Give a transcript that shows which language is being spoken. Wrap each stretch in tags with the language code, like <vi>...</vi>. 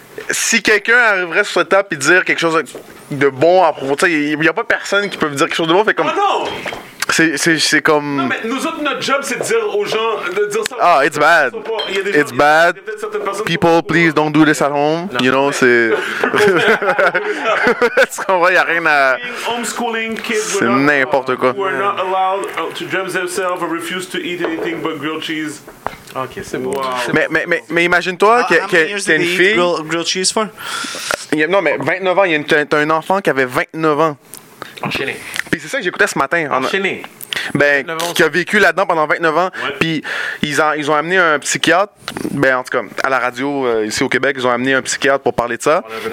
<fr>si quelqu'un arriverait sur cette table et dire quelque chose de bon à propos de ça, il n'y a pas personne qui peut dire quelque chose de bon. Fait comme, oh non! C'est comme... Non, mais nous autres, notre job, c'est de dire aux gens... De dire ça.</fr> <en>Ah, it's bad. It's bad. People, please, don't do this at home. Non, you know,</en> <fr>c'est... Est-ce qu'on voit, il n'y a rien à...</fr> <en>Homeschooling kids,</en> <fr>c'est n'importe quoi.</fr> <en>Who are not allowed to dress themselves or refuse to eat anything but grilled cheese.</en> <fr>Ok, c'est bon. Wow. Mais imagine-toi qu'il y a une fille...</fr> <en>Grilled cheese for?</en> <fr>Non, mais 29 ans, t'as un enfant qui avait 29 ans. Enchaîné. Puis c'est ça que j'écoutais ce matin. Enchaîné. Ben, qui a vécu là-dedans pendant 29 ans. Puis ils ont amené un psychiatre, ben en tout cas, à la radio ici au Québec, ils ont amené un psychiatre pour parler de ça.</fr>